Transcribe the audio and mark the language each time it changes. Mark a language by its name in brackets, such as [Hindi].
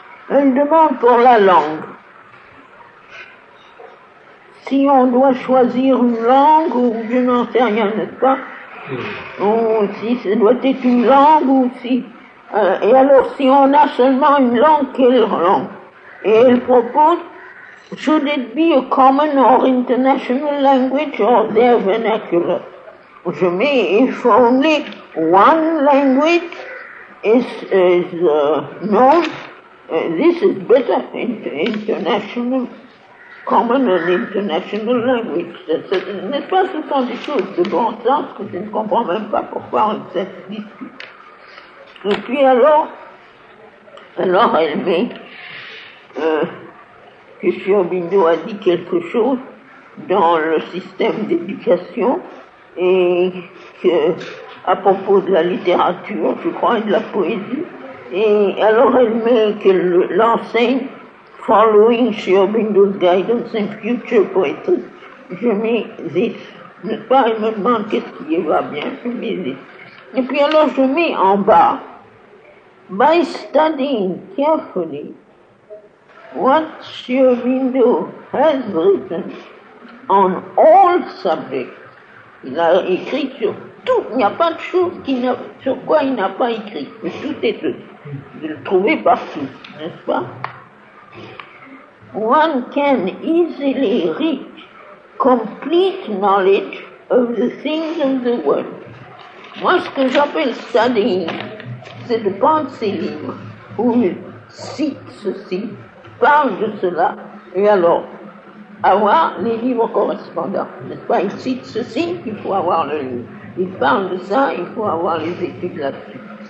[French] Elle demande pour la langue. Si on doit choisir une langue ou je n'en sais rien, n'est-ce pas? Oui. Ou si ça doit être une langue ou si... et alors, si on a seulement une langue, quelle langue? Et elle propose, [English] should it be a common or international language or their vernacular? [French] Je mets, [English] if only one language is known, this is better, international, common and international language. [French] N'est-ce pas, ce sont des choses de bon sens que je ne comprends même pas pourquoi on se discute. Et puis alors elle met, que Sir Bindo a dit quelque chose dans le système d'éducation et que, à propos de la littérature, je crois, et de la poésie. Et alors elle met qu'elle l'enseigne « [English] Following Sir Bindo's guidance in future poetry ». [French] Je mets « this ». N'est-ce pas, elle me demande qu'est-ce qui va bien. Je mets « this ». Et puis alors je mets en bas « [English] By studying carefully ». What Sir Bindo has written on all subjects, [French] il a écrit sur tout, il n'y a pas de chose sur quoi il n'a pas écrit, mais tout est de le trouver partout, n'est-ce pas? [English] One can easily reach complete knowledge of the things of the world. [French] Moi, ce que j'appelle studying, c'est de prendre ses livres où il cite ceci, parle de cela, et alors, avoir les livres correspondants, n'est-ce pas? Il cite ceci, il faut avoir le livre. Il parle de ça, il faut avoir les études là-dessus.